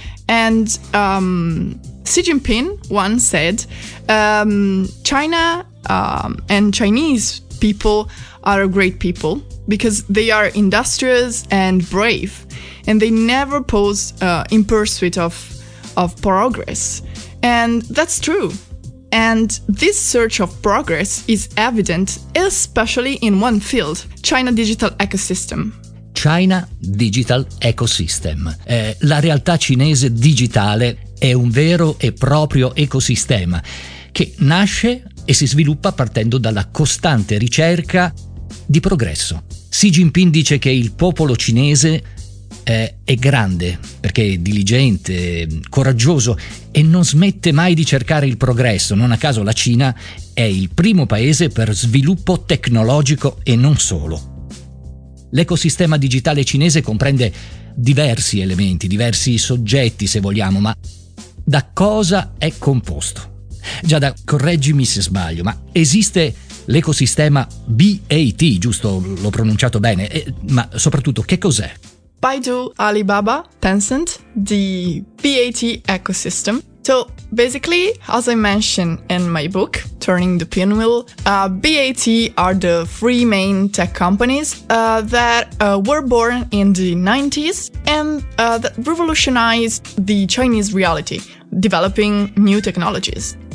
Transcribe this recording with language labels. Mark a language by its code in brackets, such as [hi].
[en] And Xi Jinping once said, China and Chinese people are a great people because they are industrious and brave, and they never pose in pursuit of progress. And that's true. And this search of progress is evident, especially in one field, China Digital Ecosystem. China Digital Ecosystem. [it] La realtà cinese digitale è un vero e proprio ecosistema che nasce e si sviluppa partendo dalla costante ricerca di progresso. Xi Jinping dice che il popolo cinese è grande perché è diligente, coraggioso e non smette mai di cercare il progresso. Non a caso la Cina è il primo paese per sviluppo tecnologico e non solo. L'ecosistema digitale cinese comprende diversi elementi, diversi soggetti se vogliamo, ma da cosa è composto? Giada, correggimi se sbaglio, ma esiste l'ecosistema BAT, giusto? L'ho pronunciato bene, ma soprattutto che cos'è? [en] Baidu, Alibaba, Tencent, the BAT ecosystem. So basically, as I mentioned in my book, Turning the Pinwheel, BAT are the three main tech companies that were born in the 90s and that revolutionized the Chinese reality, developing new technologies.